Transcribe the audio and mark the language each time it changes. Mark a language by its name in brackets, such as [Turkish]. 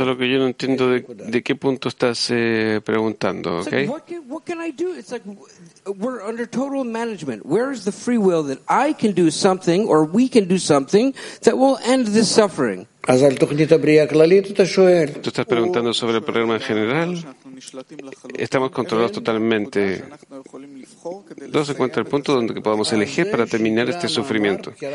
[Spanish] es lo que yo no entiendo, de qué punto estás preguntando, ¿ok? [English] We're under total management. Where is the free will that I can do something or we can do something that will end this suffering? [Spanish] ¿Tú estás preguntando sobre el problema en general? Estamos controlados totalmente. ¿Dónde se encuentra el punto donde podamos elegir para terminar este sufrimiento?